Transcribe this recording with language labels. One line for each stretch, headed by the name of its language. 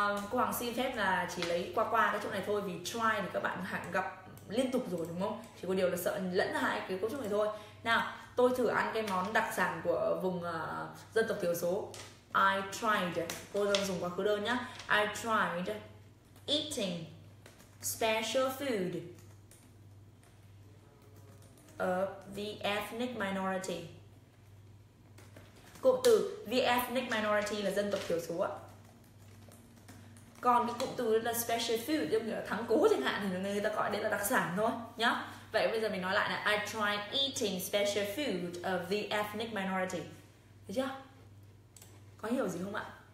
Vietnamese: Cô Hoàng xin phép là chỉ lấy qua cái chỗ này thôi. Vì try thì các bạn hẳn gặp liên tục rồi đúng không? Chỉ có điều là sợ lẫn hại cái cấu trúc này thôi. Nào, tôi thử ăn cái món đặc sản của vùng dân tộc thiểu số.
English: I tried.
Vietnamese: Cô đang dùng quá khứ đơn nhá.
English: I tried eating special food of the ethnic minority.
Vietnamese: Cụm từ the ethnic minority là dân tộc thiểu số á. Còn cái cụm từ là special food, giống như là thắng cố chẳng hạn, thì người ta gọi đấy là đặc sản thôi nhá. Vậy bây giờ mình nói lại là
English: I tried eating special food of the ethnic minority.
Vietnamese: Thấy chưa? Có hiểu gì không ạ?